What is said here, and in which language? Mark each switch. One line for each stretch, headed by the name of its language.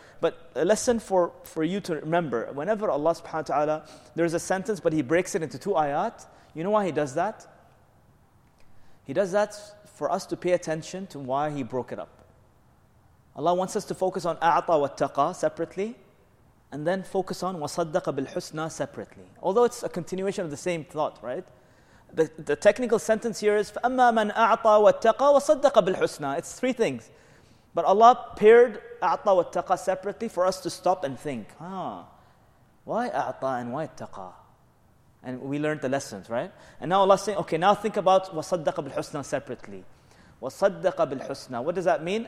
English: But a lesson for you to remember, whenever Allah subhanahu wa ta'ala, there's a sentence but He breaks it into two ayat, you know why He does that? He does that for us to pay attention to why He broke it up. Allah wants us to focus on
Arabic: أَعْطَى وَاتَّقَى
English: separately, and then focus on
Arabic: وَصَدَّقَ بِالْحُسْنَى
English: separately. Although it's a continuation of the same thought, right? The technical sentence here is
Arabic: فَأَمَّا مَنْ أَعْطَى وَاتَّقَى وَصَدَّقَ بِالْحُسْنَى.
English: It's three things. But Allah paired
Arabic: أَعْطَى وَاتَّقَى
English: separately for us to stop and think. Why أَعْطَى and why اتَّقَى? And we learned the lessons, right? And now Allah is saying, okay, now think about
Arabic: وَصَدَّقَ بِالْحُسْنَى
English: separately.
Arabic: وَصَدَّقَ بِالْحُسْنَى.
English: What does that mean?